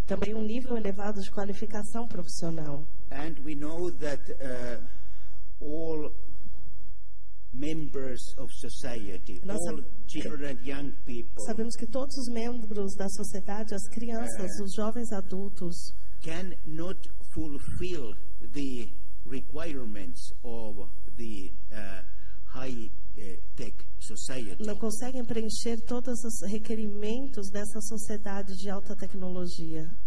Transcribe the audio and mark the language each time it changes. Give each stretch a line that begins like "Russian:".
Portuguese: também um nível elevado de qualificação profissional,
English: and we know that all members members of society, all children, young people.
Portuguese: Sabemos que todos os membros da sociedade, as crianças, os jovens adultos,
English: can not fulfill the requirements of the high tech society.
Portuguese: Não conseguem preencher todos os requerimentos dessa sociedade de alta tecnologia.